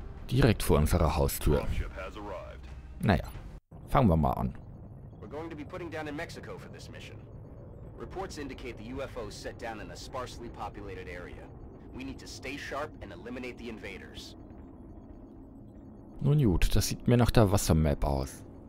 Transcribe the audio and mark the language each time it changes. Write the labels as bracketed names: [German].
[German] Direkt vor unserer Haustür. Naja, fangen wir mal an. Wir werden uns für diese Mission in Mexiko setzen. [English] Reports indicate the UFO set down in a sparsely populated area. We need to stay sharp and eliminate the invaders. [German] Nun gut, das sieht mir nach der Wassermap aus.